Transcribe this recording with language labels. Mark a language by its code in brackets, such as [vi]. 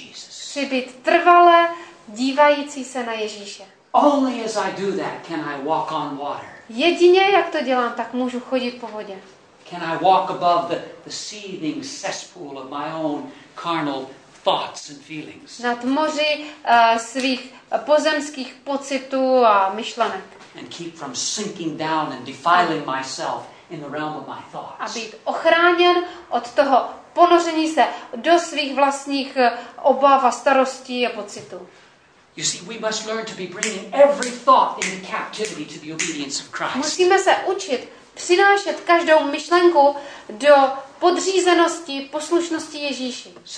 [cs] Chci být trvale dívající se na Ježíše. [en] Only as I do that can I walk on water. [cs] Jedině jak to dělám, tak můžu chodit po vodě. [en] Can I walk above the seething cesspool of my own carnal thoughts and feelings? [cs] Nad moři svých pozemských pocitů a myšlenek. [en] And keep from sinking down and defiling myself in the realm of my thoughts. [cs] A být ochráněn od toho ponoření se do svých vlastních obav a starostí a pocitů. [en] You see, we must learn to be bringing every thought into captivity to the obedience of Christ. [cs] Musíme se učit přinášet každou myšlenku do podřízenosti poslušnosti Ježíši.